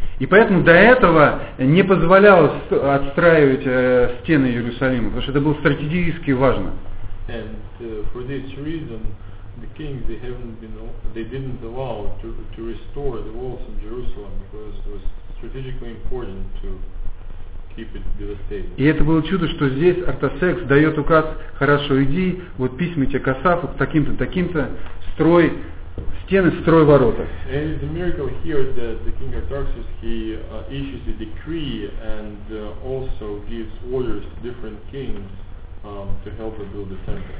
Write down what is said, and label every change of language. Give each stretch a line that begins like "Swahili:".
Russian: И поэтому до этого не позволялось отстраивать стены Иерусалима, потому что это было стратегически важно.
English: And for this reason, the kings they didn't allow to restore the walls in Jerusalem because it was strategically important to keep it devastated.
Russian: И это было чудо, что здесь Артасекс дает указ: хорошо, иди, вот письма тебе к Асафу, таким-то, таким-то, строй стены, строй ворота.
English: And it's a miracle here that the king Artaxerxes he issues a decree and also gives orders to different kings to help rebuild the temple.